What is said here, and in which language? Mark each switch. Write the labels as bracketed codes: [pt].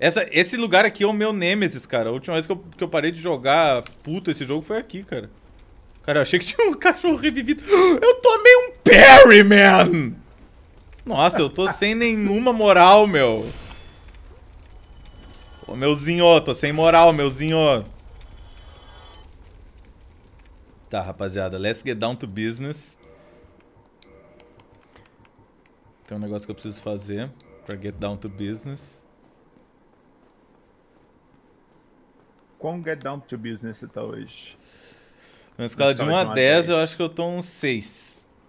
[pt] Esse lugar aqui é o meu Nemesis, cara. A última vez que eu parei de jogar puto esse jogo foi aqui, cara. Cara, eu achei que tinha um cachorro revivido. Eu tomei um parry, man! Nossa, eu tô sem nenhuma moral, meu. Ô, meuzinho, tô sem moral, meuzinho. [en] Tá, rapaziada, let's get down to business. [pt] Tem um negócio que eu preciso fazer pra [en] get down to business. [pt] Como [en] get down to business [pt] você tá hoje? Na escala de 1 a 10, eu acho que eu tô um 6.